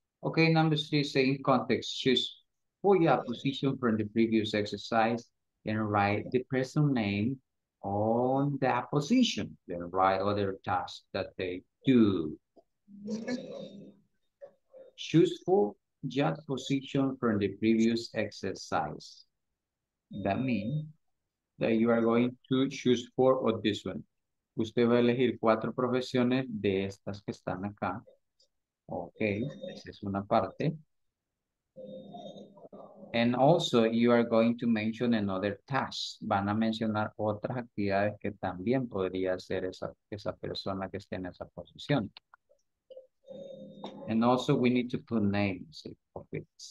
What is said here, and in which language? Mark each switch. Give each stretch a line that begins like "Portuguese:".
English: Okay, number three, say in context, choose for your position from the previous exercise and write the person name on that position. Then write other tasks that they do. Choose for your position from the previous exercise. That means that you are going to choose four of this one.
Spanish: Usted va a elegir cuatro profesiones de estas que están acá. Okay, esa es una parte.
English: And also, you are going to mention another task.
Spanish: Van a mencionar otras actividades que también podría hacer esa persona que esté en esa posición.
English: And also, we need to put names of it.